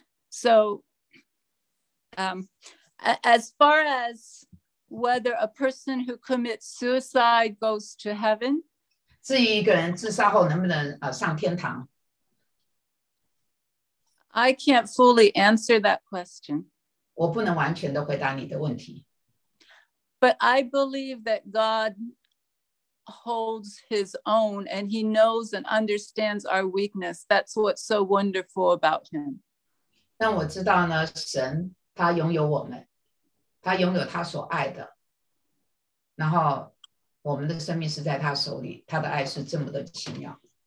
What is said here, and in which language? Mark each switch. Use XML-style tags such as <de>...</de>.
<en>So, as far as whether a person who commits suicide goes to heaven,</en> <zh>至于一个人自杀后能不能上天堂，</zh> <en>I can't fully answer that question.</en> <zh>我不能完全地回答你的问题。</zh> <en>But I believe that God holds his own and he knows and understands our weakness. That's what's so wonderful about him.</en> <zh>但我知道呢，神他拥有我们，他拥有他所爱的，然后我们的生命是在他手里，他的爱是这么的奇妙。</zh>